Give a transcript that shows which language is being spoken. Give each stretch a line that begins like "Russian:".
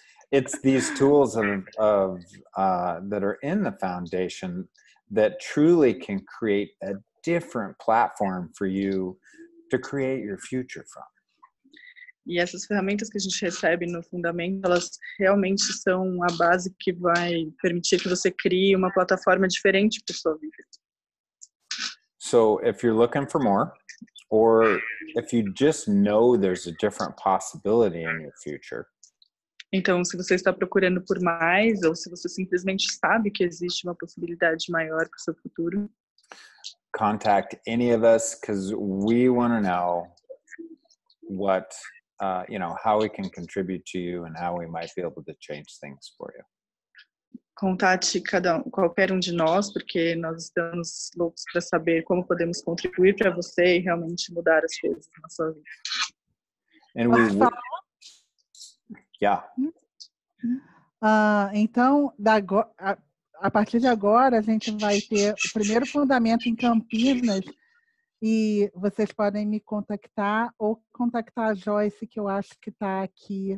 English: It's these tools of that are in the foundation that truly can create a different platform for you to create your future from.
Portuguese: E essas ferramentas que a gente recebe no fundamento, elas realmente são a base que vai permitir que você crie uma plataforma diferente para sua vida.
English: So, if you're looking for more, or if you just know there's a different possibility in your future.
Portuguese: Então, se você está procurando por mais, ou se você simplesmente sabe que existe uma possibilidade maior para o seu futuro.
English: Contact any of us, because we want to know what, you know, how we can contribute to you and how we might be able to change things for you.
Portuguese: Contate qualquer um de nós, porque nós estamos loucos para saber como podemos contribuir para você e realmente mudar as coisas na sua vida.
English: And we... Yeah.
Portuguese: Então, a partir de agora, a gente vai ter o primeiro fundamento em Campinas e vocês podem me contactar ou contactar a Joyce, que eu acho que está aqui.